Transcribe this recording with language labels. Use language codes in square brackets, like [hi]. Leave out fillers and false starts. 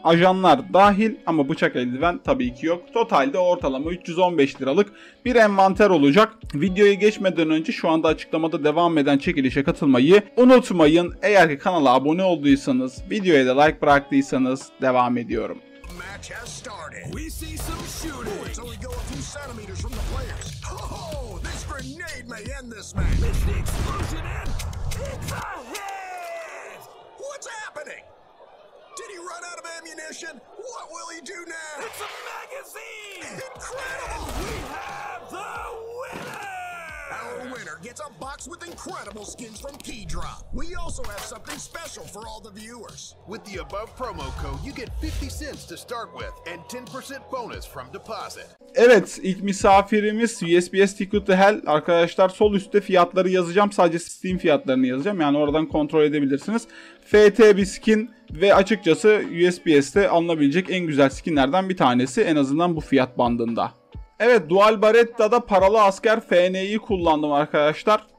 [tr] Ajanlar dahil ama bıçak eldiven tabii ki yok. Totalde ortalama 315 liralık bir envanter olacak. Videoya geçmeden önce şu anda açıklamada devam eden çekilişe katılmayı unutmayın. Eğer ki kanala abone olduysanız, videoya da like bıraktıysanız devam ediyorum. [en] Match has started. We see some shooting. Boys only go a few centimeters from the players. Oh, this grenade may end this match. It's the explosion and it's a hit! What's happening? Did he run out of ammunition? What will he do now? It's a magazine! Incredible! And we have the winner! Our winner gets a box with incredible skins from Keydrop. We also have something special for all the viewers. With the above promo code, you get 50 cents to start with and 10% bonus from deposit. [tr] Evet, ilk misafirimiz USPS Ticket to Hell. Arkadaşlar sol üstte fiyatları yazacağım. Sadece Steam fiyatlarını yazacağım. Yani oradan kontrol edebilirsiniz. FT bir skin ve açıkçası USPS'te alınabilecek en güzel skinlerden bir tanesi. En azından bu fiyat bandında. Evet, Dual Baretta'da paralı asker FN'yi kullandım arkadaşlar.